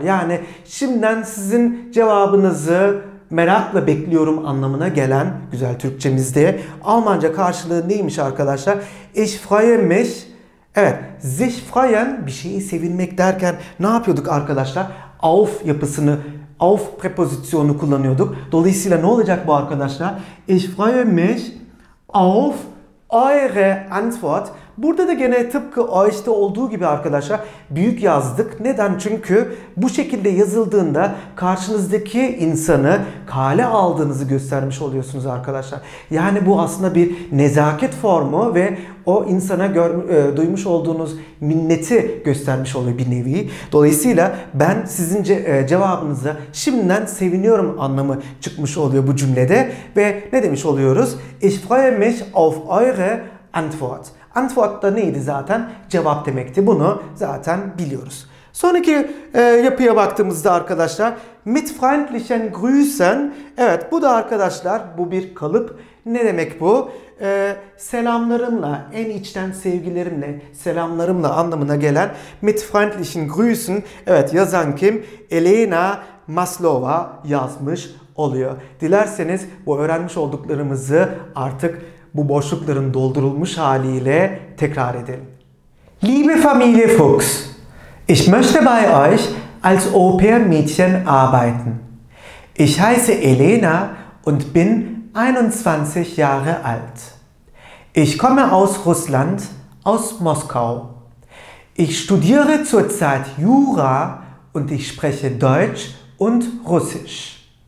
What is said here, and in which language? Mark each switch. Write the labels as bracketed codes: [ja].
[tr] Yani şimdiden sizin cevabınızı merakla bekliyorum anlamına gelen güzel Türkçemizde Almanca karşılığı neymiş arkadaşlar? [de] Ich freue mich. [tr] Evet, sich freuen, bir şeyi sevinmek derken ne yapıyorduk arkadaşlar? Auf yapısını, auf prepozisyonu kullanıyorduk. Dolayısıyla ne olacak bu arkadaşlar? [de] Ich freue mich auf eure Antwort. [tr] Burada da gene tıpkı euch'te olduğu gibi arkadaşlar büyük yazdık. Neden? Çünkü bu şekilde yazıldığında karşınızdaki insanı kale aldığınızı göstermiş oluyorsunuz arkadaşlar. Yani bu aslında bir nezaket formu ve o insana duymuş olduğunuz minneti göstermiş oluyor bir nevi. Dolayısıyla ben sizin cevabınıza şimdiden seviniyorum anlamı çıkmış oluyor bu cümlede. Ve ne demiş oluyoruz? [de] Ich freue mich auf eure Antwort. [tr] Antwort da neydi zaten? Cevap demekti. Bunu zaten biliyoruz. Sonraki yapıya baktığımızda arkadaşlar [de] mit freundlichen Grüßen. [tr] Evet, bu da arkadaşlar bu bir kalıp. Ne demek bu? Selamlarımla, en içten sevgilerimle, selamlarımla anlamına gelen [de] mit freundlichen Grüßen. [tr] Evet, yazan kim? Elena Maslova yazmış oluyor. Dilerseniz bu öğrenmiş olduklarımızı artık bu boşlukların doldurulmuş haliyle tekrar edelim. [de] Liebe Familie Fuchs, ich möchte bei euch als Au-pair-Mädchen arbeiten. Ich heiße Elena und bin 21 Jahre alt. Ich komme aus Russland, aus Moskau. Ich studiere zurzeit Jura und ich spreche Deutsch und Russisch.